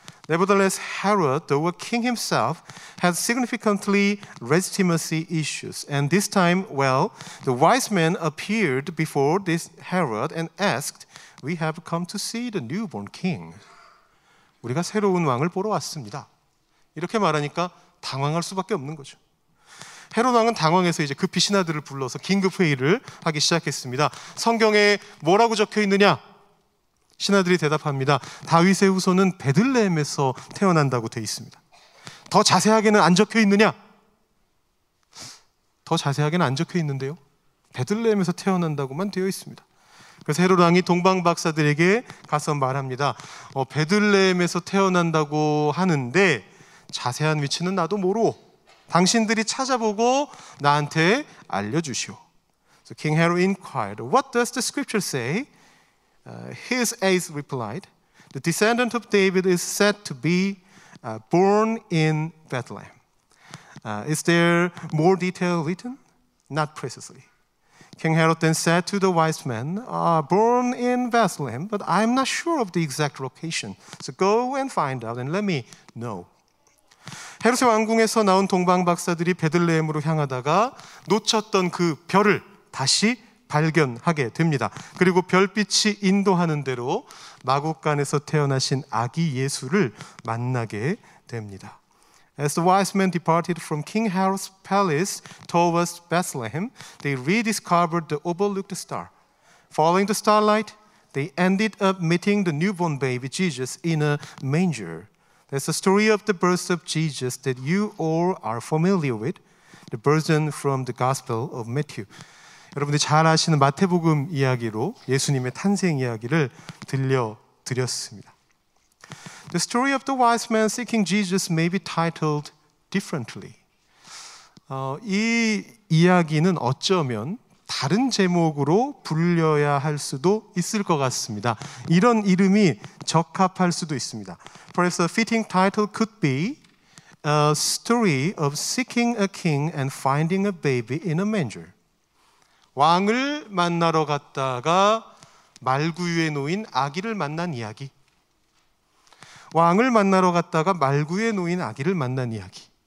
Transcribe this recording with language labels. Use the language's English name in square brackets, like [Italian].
[English] Nevertheless, Herod, though a king himself, had significantly legitimacy issues. And this time, well, the wise men appeared before this Herod and asked, "We have come to see the newborn king." [Korean] 우리가 새로운 왕을 보러 왔습니다. 이렇게 말하니까 당황할 수밖에 없는 거죠. 헤롯 왕은 당황해서 이제 급히 신하들을 불러서 긴급 회의를 하기 시작했습니다. 성경에 뭐라고 적혀 있느냐? 신하들이 대답합니다. 다윗의 후손은 베들레헴에서 태어난다고 돼 있습니다. 더 자세하게는 안 적혀 있느냐? 더 자세하게는 안 적혀 있는데요. 베들레헴에서 태어난다고만 되어 있습니다. 그래서 헤롯 왕이 동방 박사들에게 가서 말합니다. 베들레헴에서 태어난다고 하는데 자세한 위치는 나도 모르고 당신들이 찾아보고 나한테 알려주시오. [English] So King Herod inquired, "What does the scripture say?" His aides replied, "The descendant of David is said to be born in Bethlehem. Is there more detail written? Not precisely." King Herod then said to the wise men, "Born in Bethlehem, but I'm not sure of the exact location. So go and find out and let me know." [Korean] 헤롯의 왕궁에서 나온 동방 박사들이 베들레헴으로 향하다가 놓쳤던 그 별을 다시 발견하게 됩니다. 그리고 별빛이 인도하는 대로 마구간에서 태어나신 아기 예수를 만나게 됩니다. [English] As the wise men departed from King Herod's palace towards Bethlehem, they rediscovered the overlooked star. Following the starlight, they ended up meeting the newborn baby Jesus in a manger. That's the story of the birth of Jesus that you all are familiar with, the version from the Gospel of Matthew. [Korean] 여러분들 잘 아시는 마태복음 이야기로 예수님의 탄생 이야기를 들려드렸습니다. [English] The story of the wise man seeking Jesus may be titled differently. [Korean] 이 이야기는 어쩌면 다른 제목으로 불려야 할 수도 있을 것 같습니다. 이런 이름이 적합할 수도 있습니다. [English] Perhaps a fitting title could be a story of seeking a king and finding a baby in a manger. [Korean] 왕을 만나러 갔다가 말구유에 놓인 아기를 만난 이야기. 왕을 만나러 갔다가 말구유에 놓인 아기를 만난 이야기.